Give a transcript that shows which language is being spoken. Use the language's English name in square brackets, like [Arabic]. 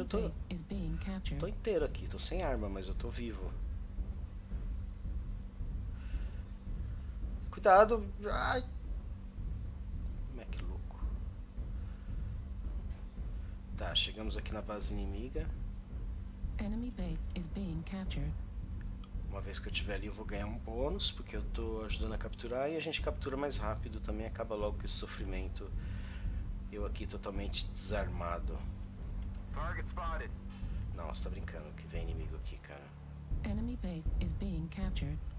[Portuguese] Eu tô inteiro aqui, tô sem arma, mas eu tô vivo. Cuidado! Ai! Mech louco. Tá, chegamos aqui na base inimiga. [English] Enemy base is being captured. [Portuguese] Uma vez que eu tiver ali, eu vou ganhar um bônus, porque eu tô ajudando a capturar e a gente captura mais rápido também, acaba logo com esse sofrimento. Eu aqui totalmente desarmado. [English] Target spotted. [Portuguese] Não, você tá brincando que vem inimigo aqui, cara. [English] Enemy base is being captured.